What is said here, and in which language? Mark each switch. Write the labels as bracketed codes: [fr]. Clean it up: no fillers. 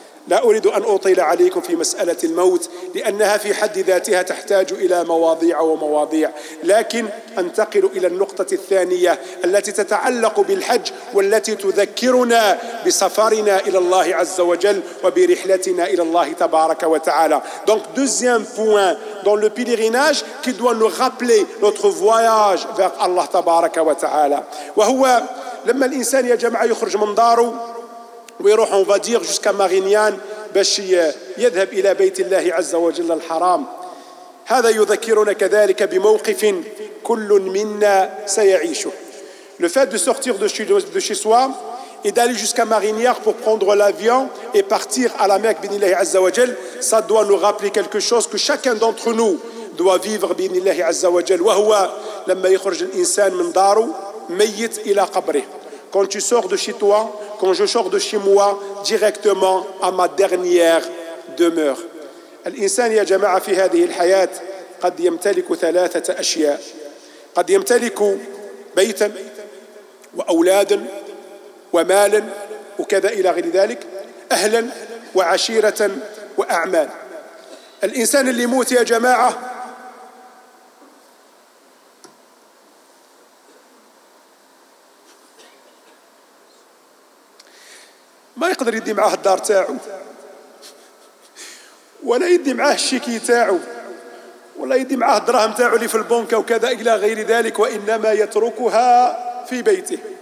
[ar] لا أريد أن أطيل عليكم في مسألة الموت لأنها في حد ذاتها تحتاج إلى مواضيع ومواضيع، لكن أنتقل إلى النقطة الثانية التي تتعلق بالحج والتي تذكرنا بسفرنا إلى الله عز وجل وبرحلتنا إلى الله تبارك وتعالى. [fr] Donc deuxième point dans le pèlerinage qui doit nous rappeler notre voyage vers Allah [ar] تبارك وتعالى. وهو لما الإنسان يا جماعة يخرج من داره ويروح [fr] on va dire jusqu'à Marignane [ar] باش يذهب الى بيت الله عز وجل الحرام، هذا يذكرنا كذلك بموقف كل منا سيعيشه. [fr] Le fait de sortir de chez soi et d'aller jusqu'à Marignane pour prendre l'avion et partir à la Mecque [ar] بإذن الله عز وجل, [fr] ça doit nous rappeler quelque chose que chacun d'entre nous doit vivre بإذن الله عز وجل. [ar] وهو لما يخرج الانسان من داره ميت الى قبره. [fr] Quand tu sors de chez toi, quand je sors de chez moi, directement à ma dernière demeure. [ar] الإنسان يا جماعة في هذه الحياة قد يمتلك ثلاثة أشياء. قد يمتلك بيتا وأولادا ومالا وكذا إلى غير ذلك. أهلا وعشيرة وأعمال. الإنسان اللي يموت يا جماعة ما يقدر يدي معاه الدار تاعو ولا يدي معاه الشيكي تاعو ولا يدي معاه الدراهم تاعو اللي في البنكة وكذا إلى غير ذلك، وإنما يتركها في بيته.